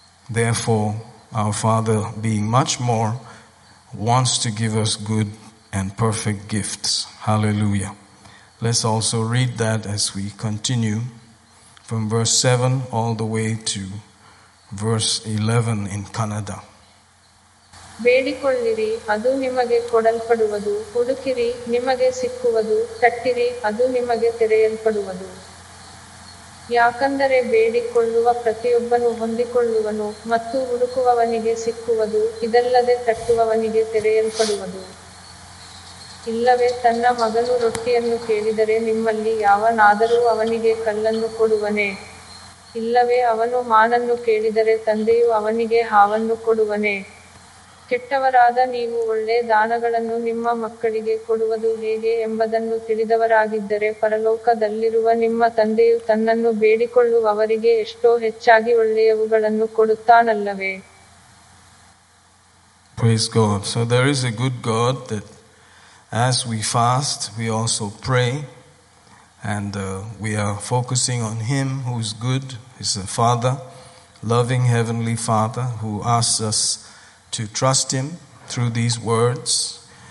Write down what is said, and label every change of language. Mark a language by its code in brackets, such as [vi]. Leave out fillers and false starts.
[en] Therefore, our Father, being much more, wants to give us good and perfect gifts. Hallelujah. Let's also read that as we continue from verse 7 all the way to verse 11 in Kannada. [kn] ಬೇಡಿಕೊಳ್ಳಿರಿ ಅದು ನಿಮಗೆ ಕೊಡಲ್ಪಡುವುದು ಹುಡುಕಿರಿ ನಿಮಗೆ ಸಿಕ್ಕುವುದು ತಟ್ಟಿರಿ ಅದು ನಿಮಗೆ ತೆರೆಯಲ್ಪಡುವುದು ಯಾಕೆಂದರೆ ಬೇಡಿಕೊಳ್ಳುವ ಪ್ರತಿಯೊಬ್ಬನು ಹೊಂದಿಕೊಳ್ಳುವನು ಮತ್ತು ಹುಡುಕುವವನಿಗೆ ಸಿಕ್ಕುವುದು ಇದಲ್ಲದೆ ತಟ್ಟುವವನಿಗೆ ತೆರೆಯಲ್ಪಡುವುದು ಇಲ್ಲವೇ ತನ್ನ ಮಗನು ರೊಟ್ಟಿಯನ್ನು ಕೇಳಿದರೆ ನಿಮ್ಮಲ್ಲಿ ಯಾವನಾದರೂ ಅವನಿಗೆ ಕಲ್ಲನ್ನು ಕೊಡುವನೇ ಇಲ್ಲವೇ ಅವನು ಮಾನನ್ನು ಕೇಳಿದರೆ ತಂದೆಯು ಅವನಿಗೆ ಹಾವನ್ನು ಕೊಡುವನೇ ಕೆಟ್ಟವರಾದ ನೀವು ಒಳ್ಳೆ ದಾನಗಳನ್ನು ನಿಮ್ಮ ಮಕ್ಕಳಿಗೆ ಕೊಡುವುದು ಹೇಗೆ ಎಂಬುದನ್ನು ತಿಳಿದವರಾಗಿದ್ದರೆ ಪರಲೋಕದಲ್ಲಿರುವ ನಿಮ್ಮ ತಂದೆಯು ತನ್ನನ್ನು ಬೇಡಿಕೊಳ್ಳುವವರಿಗೆ ಎಷ್ಟೋ ಹೆಚ್ಚಾಗಿ ಒಳ್ಳೆಯವುಗಳನ್ನು ಕೊಡುತ್ತಾನಲ್ಲವೇ [en] Praise God. So there is a good God that as we fast, we also pray. And we are focusing on Him who is good. He's a Father, loving Heavenly Father, who asks us to trust Him through these words.